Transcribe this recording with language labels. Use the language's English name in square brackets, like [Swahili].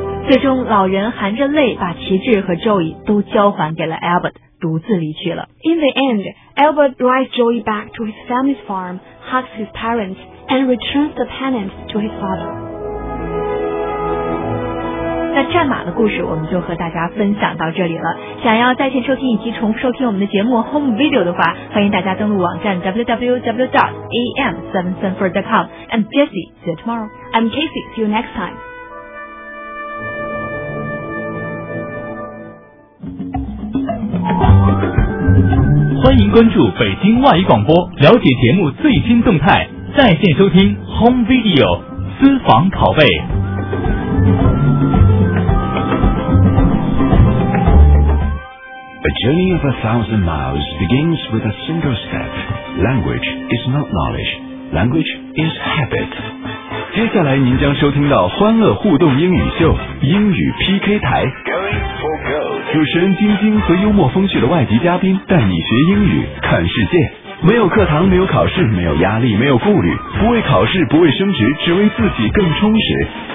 [Chinese] 最终老人含着泪把旗帜和 Joey 都交还给了 Albert, 独自离去了。 [English] In the end, Albert drives Joey back to his family's farm, hugs his parents, and returns the pennant to his father. [Chinese] 那战马的故事我们就和大家分享到这里了。想要在线收听以及重复收听我们的节目 Home Video 的话，欢迎大家登录网站 www.am734.com. [English] I'm Jessie, see you tomorrow. I'm Casey, see you next time. [Chinese] 欢迎关注北京外语广播，了解节目最新动态，在线收听 Home Video 私房拷贝。 [English] A journey of 1,000 miles begins with a single step. Language is not knowledge. Language is habit. [Chinese] 接下来您将收听到欢乐互动英语秀，英语 PK 台。主持人晶晶和幽默风趣的外籍嘉宾带你学英语看世界。没有课堂，没有考试，没有压力，没有顾虑，不为考试，不为升职，只为自己更充实。